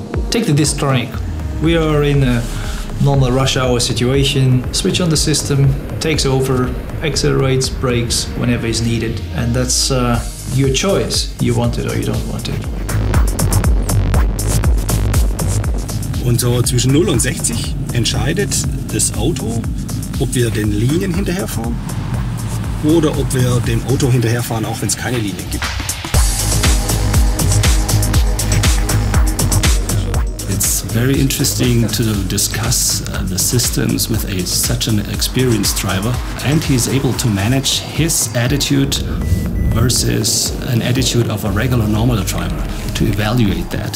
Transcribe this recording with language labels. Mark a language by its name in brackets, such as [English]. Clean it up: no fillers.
[English] Take the disc. We are in a normal rush hour situation. Switch on the system, takes over, accelerates, brakes whenever is needed. And that's your choice. You want it or you don't want it. [German] Und so zwischen 0 und 60 entscheidet das Auto, ob wir den Linien hinterherfahren oder ob wir dem Auto hinterherfahren, auch wenn es keine Linien gibt. [English] Very interesting to discuss the systems with such an experienced driver, and he's able to manage his attitude versus an attitude of a regular normal driver to evaluate that.